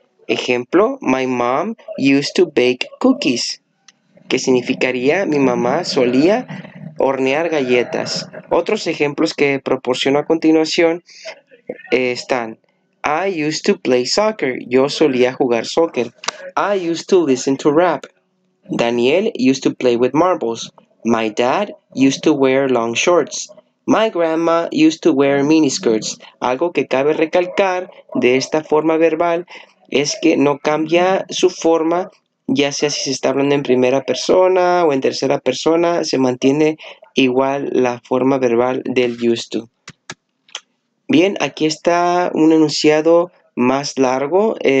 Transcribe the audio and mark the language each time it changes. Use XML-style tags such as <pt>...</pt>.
<es>Ejemplo,</es> <en>my mom used to bake cookies,</en> <es>que significaría mi mamá solía hornear galletas. Otros ejemplos que proporciono a continuación están,</es> <en>I used to play soccer,</en> <es>yo solía jugar soccer.</es> <en>I used to listen to rap. Daniel used to play with marbles. My dad used to wear long shorts. My grandma used to wear miniskirts.</en> <es>Algo que cabe recalcar de esta forma verbal es que no cambia su forma, ya sea si se está hablando en primera persona o en tercera persona, se mantiene igual la forma verbal del used to. Bien, aquí está un enunciado más largo.</es>